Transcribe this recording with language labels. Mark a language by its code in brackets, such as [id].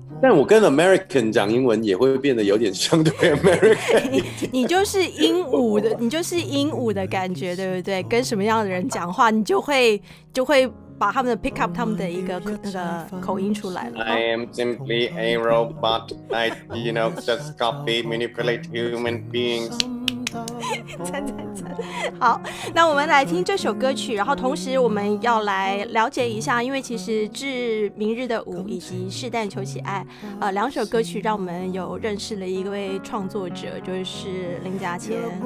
[zh] 但我跟 American 讲英文也会变得有点相对 American 你就是鹦鹉的，你就是鹦鹉的感觉，对不对？跟什么样的人讲话，你就会把他们的 [en] pick up [zh] 他们的一个那个口音出来了。 [en] I am simply a robot. I, you know, just copy, manipulate human beings. [zh] 赞赞赞，好，那我们来听这首歌曲，然后同时我们要来了解一下，因为其实《致明日的舞》以及《试弹求喜爱》两首歌曲让我们有认识了一位创作者，就是林嘉谦。